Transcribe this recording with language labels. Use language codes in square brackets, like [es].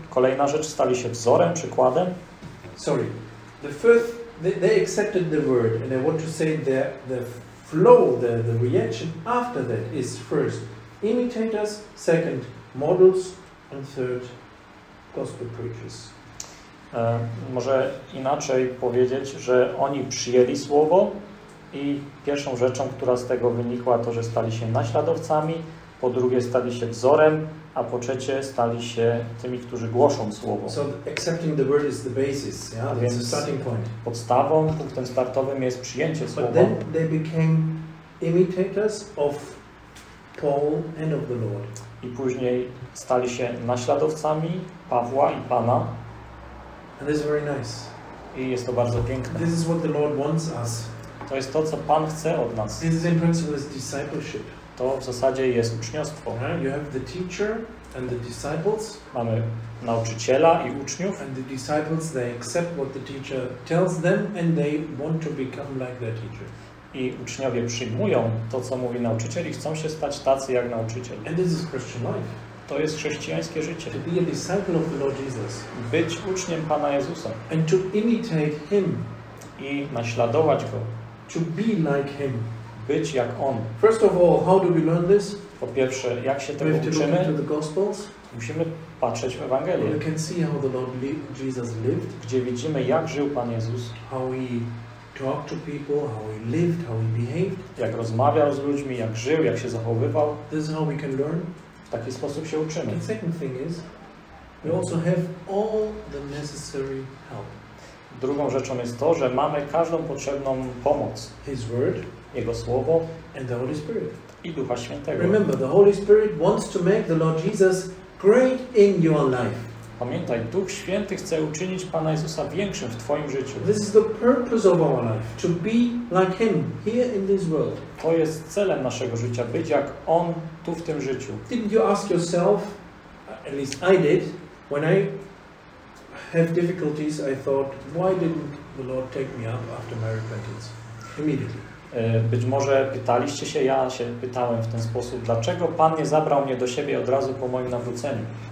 [pl] Kolejna rzecz, stali się wzorem, przykładem. [en] Sorry. The first, they accepted the word and I want to say that the flow, the reaction after that is first imitators, second models, and third gospel preachers. [pl] Może inaczej powiedzieć, że oni przyjęli słowo i pierwszą rzeczą, która z tego wynikła, to, że stali się naśladowcami, po drugie stali się wzorem, a po trzecie stali się tymi, którzy głoszą słowo. [en] So accepting the word is the basis, yeah? That's the starting point. [pl] Podstawą, punktem startowym jest przyjęcie słowa. [en] But then they became imitators of Paul and of the Lord. [pl] I później stali się naśladowcami Pawła i Pana. [en] And this is very nice. [pl] I jest to bardzo piękne. [en] This is what the Lord wants us. [pl] To jest to, co Pan chce od nas. [en] This is in principle is discipleship. [pl] To w zasadzie jest uczniostwo. [en] You have the teacher and the disciples. [pl] Mamy nauczyciela i uczniów. [en] And the disciples, they accept what the teacher tells them and they want to become like their teacher. [pl] I uczniowie przyjmują to, co mówi nauczyciel i chcą się stać tacy jak nauczyciel. [en] And this is Christian life. [pl] To jest chrześcijańskie życie. [en] To be a disciple of the Lord Jesus. [pl] Być uczniem Pana Jezusa. [en] And to imitate Him. [pl] I naśladować Go. [en] To be like Him. [pl] Być jak On. [en] First of all, how do we learn this? [pl] Po pierwsze, jak się tego uczymy? [en] To the Gospels. [pl] Musimy patrzeć w Ewangelię. [en] We can see how the Lord Jesus lived. [pl] Gdzie widzimy, jak żył Pan Jezus. [en] How He talked to people, how He lived, how He behaved. [pl] Jak rozmawiał z ludźmi, jak żył, jak się zachowywał. [en] This is how we can learn. [pl] W taki sposób się uczymy. [en] The second thing is, we also have all the necessary help. [pl] Drugą rzeczą jest to, że mamy każdą potrzebną pomoc. [en] His word, [pl] Jego słowo [en] and the Holy Spirit. [pl] I Ducha Świętego. [en] Remember, the Holy Spirit wants to make the Lord Jesus great in your life. [pl] Pamiętaj, Duch Święty chce uczynić Pana Jezusa większym w twoim życiu. [en] This is the purpose of our life, to be like Him here in this world. [pl] To jest celem naszego życia, być jak On tu w tym życiu. [en] Didn't you ask yourself, at least I did, when I have difficulties, I thought, why didn't the Lord take me up after my repentance? Immediately. [pl] Być może pytaliście się, ja się pytałem w ten sposób, dlaczego Pan nie zabrał mnie do siebie od razu po moim nawróceniu?